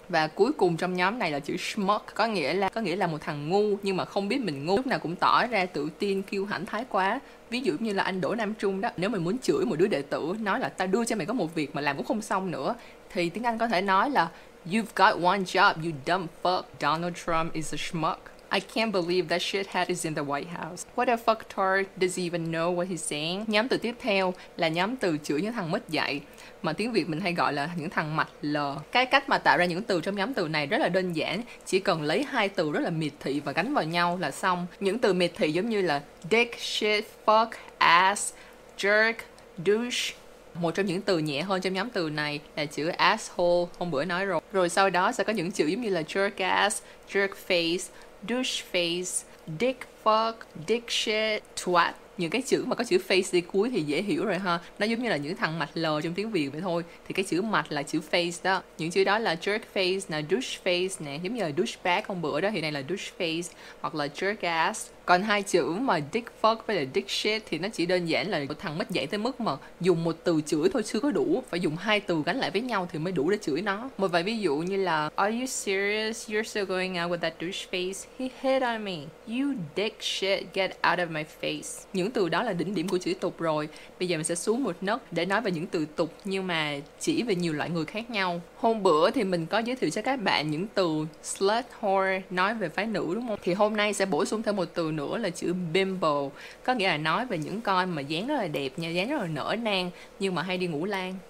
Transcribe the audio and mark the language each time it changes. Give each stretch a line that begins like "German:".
Vietnamese: Và cuối cùng trong nhóm này là chữ schmuck, có nghĩa là một thằng ngu nhưng mà không biết mình ngu, lúc nào cũng tỏ ra tự tin kiêu hãnh thái quá. Ví dụ như là anh Đỗ Nam Trung đó, nếu mình muốn chửi một đứa đệ tử nói là ta đưa cho mày có một việc mà làm cũng không xong nữa, thì tiếng Anh có thể nói là
English: you've got one job, you dumb fuck. Donald Trump is a schmuck. I can't believe that shithead is in the White House. What a fucktard, does he even know what he's saying?
Vietnamese: Nhóm từ tiếp theo là nhóm từ chửi những thằng mất dạy, mà tiếng Việt mình hay gọi là những thằng mạch lờ. Cái cách mà tạo ra những từ trong nhóm từ này rất là đơn giản, chỉ cần lấy hai từ rất là miệt thị và gắn vào nhau là xong. Những từ miệt thị giống như là dick, shit, fuck, ass, jerk, douche. Một trong những từ nhẹ hơn trong nhóm từ này là chữ asshole, hôm bữa nói rồi. Rồi sau đó sẽ có những chữ giống như là jerk ass, jerk face, douche face, dick fuck, dick shit, twat. Những cái chữ mà có chữ face đi cuối thì dễ hiểu rồi ha. Nó giống như là những thằng mạch lờ trong tiếng Việt vậy thôi. Thì cái chữ mạch là chữ face đó. Những chữ đó là jerk face, là douche face nè, giống như là douche bag hôm bữa đó thì này là douche face, hoặc là jerk ass. Còn hai chữ mà dick fuck với là dick shit thì nó chỉ đơn giản là một thằng mất dạy tới mức mà dùng một từ chửi thôi chưa có đủ, phải dùng hai từ gắn lại với nhau thì mới đủ để chửi nó. Một vài ví dụ như là
English: are you serious? You're still going out with that douche face? He hit on me. You dick shit, get out of my face.
Vietnamese: Những từ đó là đỉnh điểm của chữ tục rồi. Bây giờ mình sẽ xuống một nấc để nói về những từ tục nhưng mà chỉ về nhiều loại người khác nhau. Hôm bữa thì mình có giới thiệu cho các bạn những từ slut, whore nói về phái nữ đúng không? Thì hôm nay sẽ bổ sung thêm một từ nữa là chữ bimbo, có nghĩa là nói về những con mà dáng rất là đẹp nha, dáng rất là nở nang nhưng mà hay đi ngủ lan.